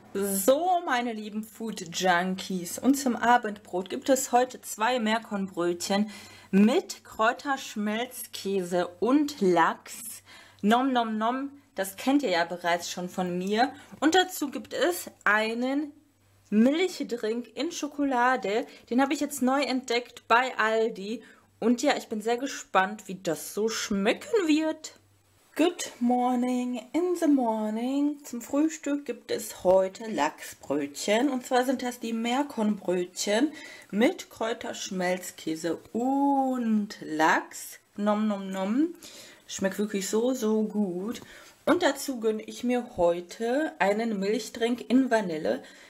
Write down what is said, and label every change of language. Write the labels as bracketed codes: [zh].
[de] So, meine lieben Food Junkies. Und zum Abendbrot gibt es heute zwei Mehrkornbrötchen mit Kräuterschmelzkäse und Lachs. Nom, nom, nom. Das kennt ihr ja bereits schon von mir. Und dazu gibt es einen Milchdrink in Schokolade, den habe ich jetzt neu entdeckt bei Aldi. Und ja, ich bin sehr gespannt, wie das so schmecken wird. [en] Good morning in the morning. [de] Zum Frühstück gibt es heute Lachsbrötchen. Und zwar sind das die Mehrkornbrötchen mit Kräuterschmelzkäse und Lachs. Nom nom nom. Schmeckt wirklich so, so gut. Und dazu gönne ich mir heute einen Milchdrink in Vanille.